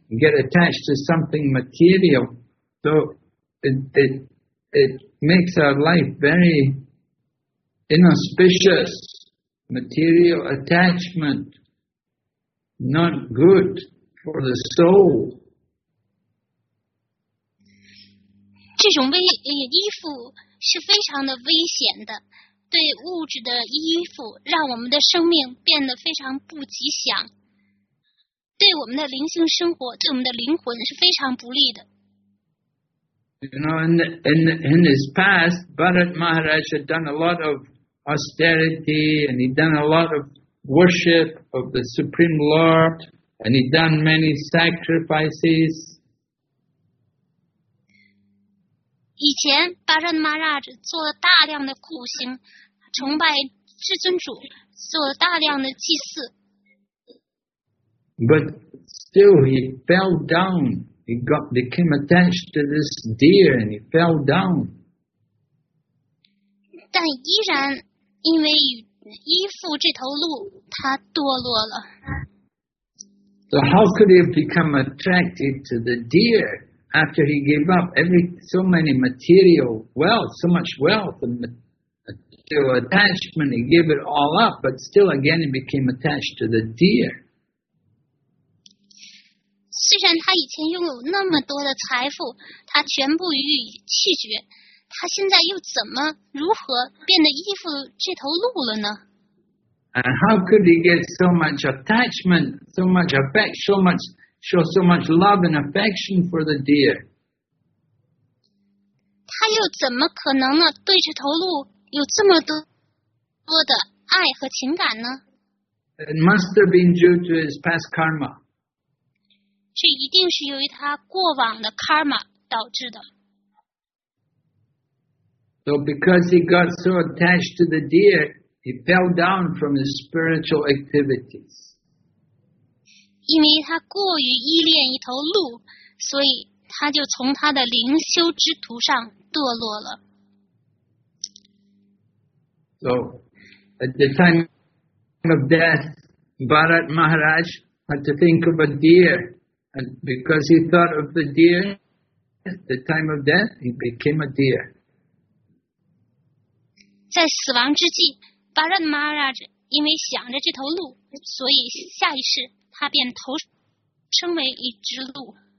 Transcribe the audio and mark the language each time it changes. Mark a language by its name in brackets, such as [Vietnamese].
[English] You get attached to something material, so it makes our life very inauspicious. Material attachment, not good for the soul. [Chinese] 这种衣服是非常的危险的。对物质的衣服，让我们的生命变得非常不吉祥。对我们的灵性生活，对我们的灵魂是非常不利的。 [English] You know, in his past, Bharat Maharaj had done a lot of austerity, and he'd done a lot of worship of the Supreme Lord, and he'd done many sacrifices. [Chinese] 以前 Bharat Maharaj 做了大量的苦行，崇拜至尊主，做了大量的祭祀。 [English] But still, he fell down. He got became attached to this deer and he fell down. [Chinese] 但依然因为依附这头鹿，他堕落了。 [English] So how could he have become attracted to the deer after he gave up every so many material wealth, so much wealth and material attachment? He gave it all up, but still again he became attached to the deer. [Chinese] 虽然他以前拥有那么多的财富，他全部予以弃绝，他现在又怎么如何变得依附这头鹿了呢？ [English] And how could he get so much attachment, so much affection, so much show so much love and affection for the deer? [Chinese] 他又怎么可能呢？对这头鹿有这么多的爱和情感呢？ [English] It must have been due to his past karma. [Chinese] 这一定是由于他过往的 karma 导致的。 [English] So because he got so attached to the deer, he fell down from his spiritual activities. [Chinese] 因为他过于依恋一头鹿，所以他就从他的灵修之途上堕落了。 [English] So at the time of death, Bharat Maharaj had to think of a deer. And because he thought of the deer, at the time of death, he became a deer. [Chinese] 在死亡之际 ，Bharat Maharaj 因为想着这头鹿，所以下一世他便投生为一只鹿。